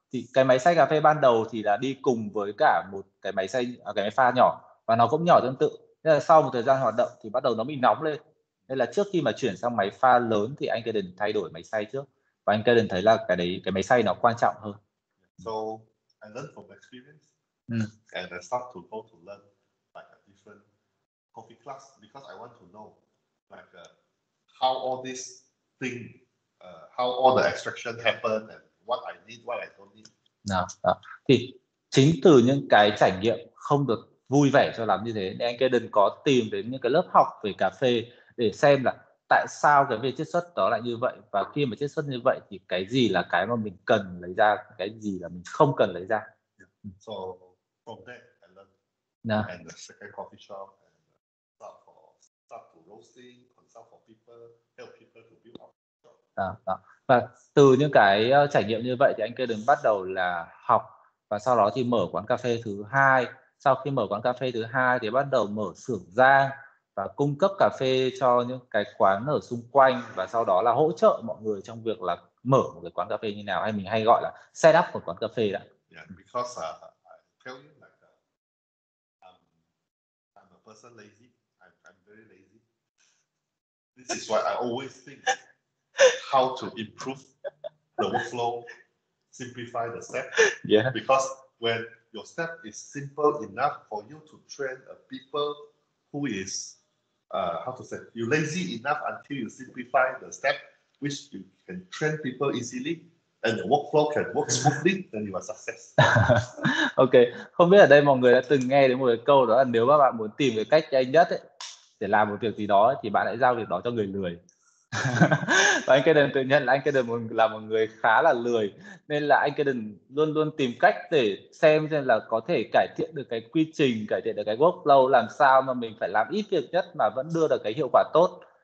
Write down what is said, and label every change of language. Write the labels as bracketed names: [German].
[Vietnamese] Thì cái máy xay cà phê ban đầu thì là đi cùng với cả một cái máy xay, cái máy pha nhỏ, và nó cũng nhỏ tương tự. Nên là sau một thời gian hoạt động thì bắt đầu nó bị nóng lên. Nên là trước khi mà chuyển sang máy pha lớn thì anh Kaden thay đổi máy xay trước. Và anh Kaden thấy là cái đấy, cái máy xay nó quan trọng hơn. [English] So I learned from experience and I start to go to learn like a different coffee class because I want to know like how all this thing, how all the extraction happen and what I need, what I don't need. [Vietnamese] Đó. Thì chính từ những cái trải nghiệm không được vui vẻ cho lắm như thế nên anh Kaden có tìm đến những cái lớp học về cà phê để xem là tại sao cái việc chiết xuất đó lại như vậy, và khi mà chiết xuất như vậy thì cái gì là cái mà mình cần lấy ra, cái gì là mình không cần lấy ra. [English] So from that I learned and the second coffee shop and start to roasting, consult for people, help people to build up. [Vietnamese] Đó. Và từ những cái trải nghiệm như vậy thì anh Kaden bắt đầu là học, và sau đó thì mở quán cà phê thứ hai. Sau khi mở quán cà phê thứ hai thì bắt đầu mở xưởng rang và cung cấp cà phê cho những cái quán ở xung quanh, và sau đó là hỗ trợ mọi người trong việc là mở một cái quán cà phê như nào, hay mình hay gọi là set up một quán cà phê đó. [English] Yeah, because I tell you like I'm a person lazy. I'm very lazy. This is why I always think how to improve the workflow, simplify the step. Yeah. Because when your step is simple enough for you to train a people who is you lazy enough until you simplify the step, which you can train people easily and the workflow can work smoothly, then you are success. [Vietnamese] Ok, không biết ở đây mọi người đã từng nghe đến một cái câu đó là nếu mà bạn muốn tìm cái cách nhanh nhất ấy, để làm một việc gì đó thì bạn hãy giao việc đó cho người lười. Và anh Kaden tự nhận là anh Kaden là một người khá là lười, nên là anh Kaden luôn luôn tìm cách để xem là có thể cải thiện được cái quy trình, cải thiện được cái workflow, làm sao mà mình phải làm ít việc nhất mà vẫn đưa được cái hiệu quả tốt.